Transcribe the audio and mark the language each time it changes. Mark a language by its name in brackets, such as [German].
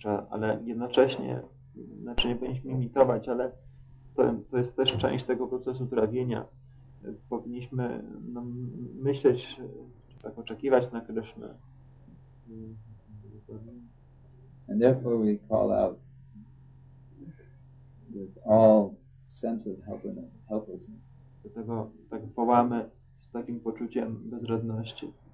[Polish] Ale jednocześnie, znaczy nie powinniśmy imitować, ale to jest też część tego procesu trawienia. Powinniśmy myśleć, czy tak oczekiwać na Krishna. [English] And therefore we call out with all sense of helplessness. [Polish] Dlatego tak wołamy z takim poczuciem bezradności.